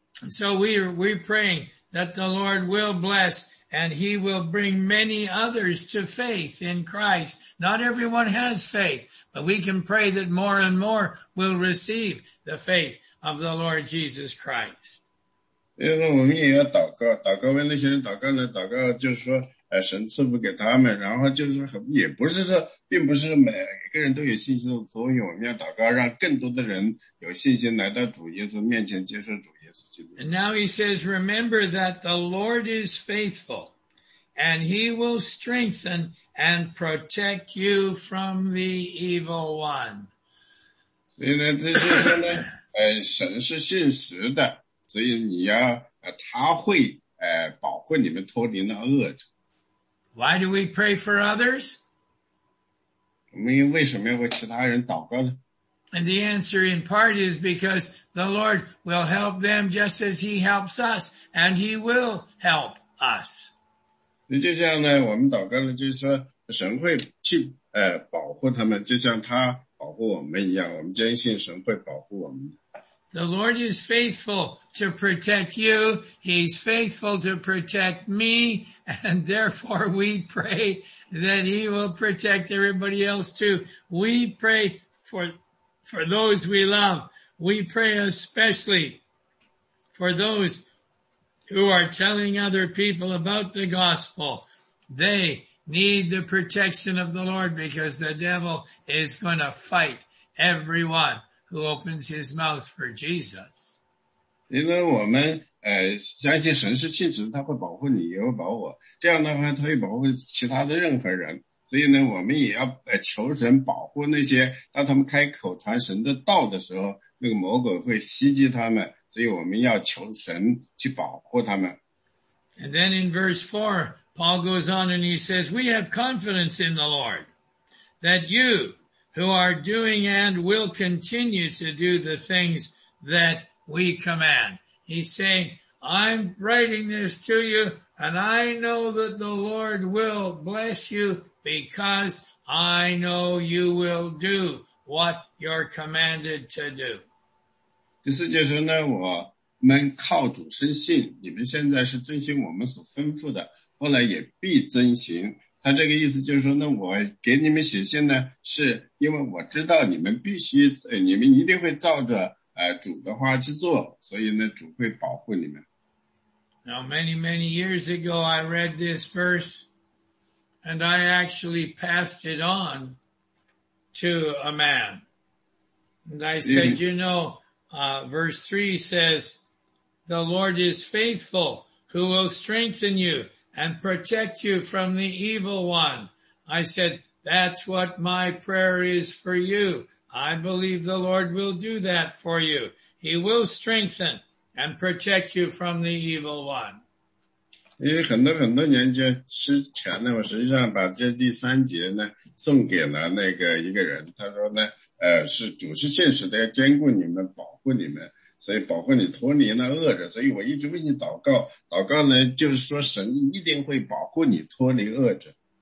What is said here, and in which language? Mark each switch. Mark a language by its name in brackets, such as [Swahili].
[English] So we're praying that the Lord will bless and he will bring many others to faith in Christ. Not everyone has faith, but we can pray that more and more will receive the faith of the Lord Jesus Christ. [Chinese] 因为我们也要祷告，祷告为那些人祷告呢，祷告就是说，神赐福给他们，然后就是说，也不是说，并不是每一个人都有信心，所以我们要祷告，让更多的人有信心来到主耶稣面前接受主耶稣基督。 [English] And now he says, remember that the Lord is faithful, and he will strengthen and protect you from the evil one. [Chinese] 所以呢，这就是呢，神是信实的，所以你要，他会，保护你们脱离那恶者。 [English] Why do we pray for others? [Chinese] 我们为什么要为其他人祷告呢? [English] And the answer in part is because the Lord will help them just as he helps us, and he will help us. [Chinese] 就像呢,我们祷告呢,就是说神会去保护他们,就像他保护我们一样,我们坚信神会保护我们。 [English] The Lord is faithful to protect you. He's faithful to protect me. And therefore we pray that he will protect everybody else too. We pray for those we love. We pray especially for those who are telling other people about the gospel. They need the protection of the Lord because the devil is going to fight everyone. Who opens his mouth for Jesus. [Chinese] 因为我们相信神是信实他会保护你也会保我。这样的话他会保护其他的任何人。所以呢我们也要求神保护那些当他们开口传神的道的时候那个魔鬼会袭击他们。所以我们要求神去保护他们。 [English] And then in verse 4, Paul goes on and he says, we have confidence in the Lord that you who are doing and will continue to do the things that we command. He's saying, I'm writing this to you, and I know that the Lord will bless you because I know you will do what you're commanded to do. [Chinese] 第四节说呢，我们靠主生信，你们现在是遵行我们所吩咐的，后来也必遵行。他这个意思就是说呢，我给你们写信呢，是因为我知道你们必须，你们一定会照着主的话去做，所以呢，主会保护你们。 [English] Now many, many years ago, I read this verse, and I actually passed it on to a man. And I said, you know, verse 3 says, the Lord is faithful, who will strengthen you and protect you from the evil one. I said, that's what my prayer is for you. I believe the Lord will do that for you. He will strengthen and protect you from the evil one. [Chinese] 因为很多很多年间之前呢，我实际上把这第三节呢送给了那个一个人，他说呢，是主是现实的，要坚固你们，保护你们，所以保护你脱离那恶者，所以我一直为你祷告，祷告呢就是说神一定会保护你脱离恶者。